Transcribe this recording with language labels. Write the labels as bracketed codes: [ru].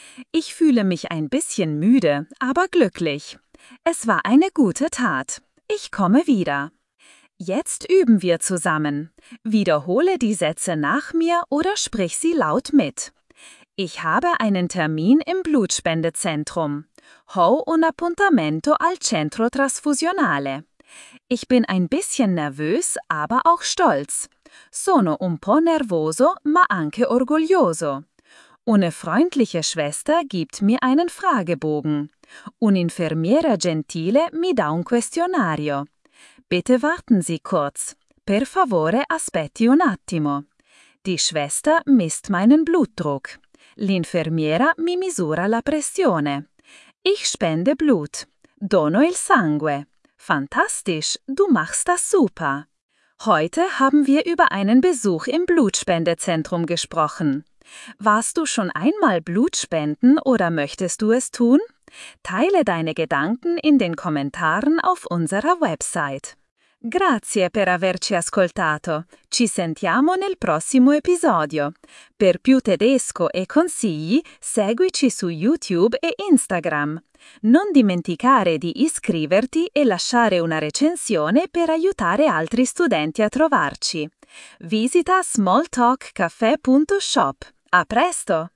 [de] Ich fühle mich ein bisschen müde, aber glücklich. Es war eine gute Tat. Ich komme wieder. Jetzt üben wir zusammen. Wiederhole die Sätze nach mir oder sprich sie laut mit. Ich habe einen Termin im Blutspendezentrum. [it] Ho un appuntamento al centro trasfusionale. [de] Ich bin ein bisschen nervös, aber auch stolz. [it] Sono un po' nervoso, ma anche orgoglioso. [de] Una freundliche Schwester gibt mir einen Fragebogen. [it] Un'infermiera gentile mi dà un questionario. [de] Bitte warten Sie kurz. [it] Per favore aspetti un attimo. [de] Die Schwester misst meinen Blutdruck. [it] L'infermiera mi misura la pressione. [de] Ich spende Blut. [it] Dono il sangue. [de] Fantastisch, du machst das super. Heute haben wir über einen Besuch im Blutspendezentrum gesprochen. Warst du schon einmal Blutspenden oder möchtest du es tun? Teile deine Gedanken in den Kommentaren auf unserer Website. [it] Grazie per averci ascoltato. Ci sentiamo nel prossimo episodio. Per più tedesco e consigli, seguici su YouTube e Instagram. Non dimenticare di iscriverti e lasciare una recensione per aiutare altri studenti a trovarci. Visita smalltalkcaffè.shop. A presto!